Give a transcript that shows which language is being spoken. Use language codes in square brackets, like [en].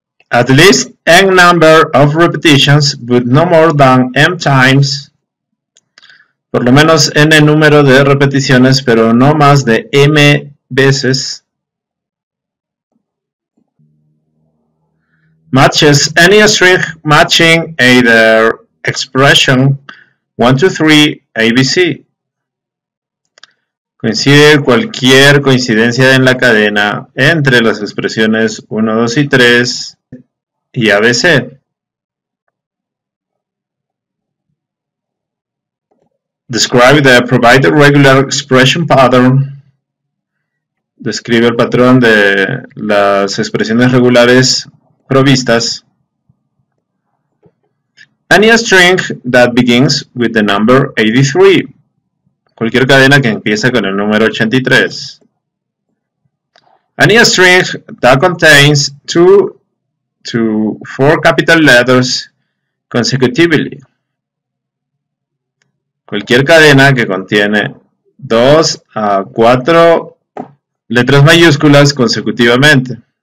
[en] At least N number of repetitions, but no more than M times. [es] Por lo menos N número de repeticiones, pero no más de M veces. [en] Matches any string matching either expression 1, 2, 3, ABC. [es] Coincide cualquier coincidencia en la cadena entre las expresiones 1, 2 y 3 y ABC. [en] Describe the provided regular expression pattern. [es] Describe el patrón de las expresiones regulares provistas. [en] Any string that begins with the number 83. [es] Cualquier cadena que empieza con el número 83. [en] any string that contains two to four capital letters consecutively. [es] Cualquier cadena que contiene dos a cuatro letras mayúsculas consecutivamente.